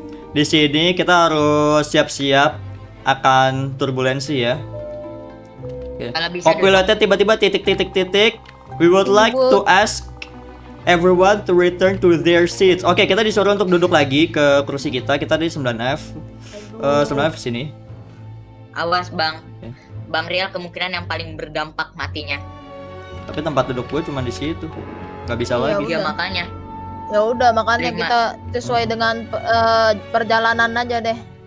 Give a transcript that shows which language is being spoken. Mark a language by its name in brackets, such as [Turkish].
[Indonesian] Di sini kita harus siap-siap akan turbulensi ya. Co-pilotnya tiba-tiba titik. [English] We would like to ask everyone to return to their seats. [Indonesian] Okay, kita disuruh untuk duduk lagi ke kursi kita. Kita di 9F. Sebenarnya sini. Awas bang, okay. Bang Rial kemungkinan yang paling berdampak matinya. Tapi tempat duduk gue cuma di situ, nggak bisa ya lagi. Iya makanya. Ya udah makanya terima. Kita sesuai dengan perjalanan aja deh.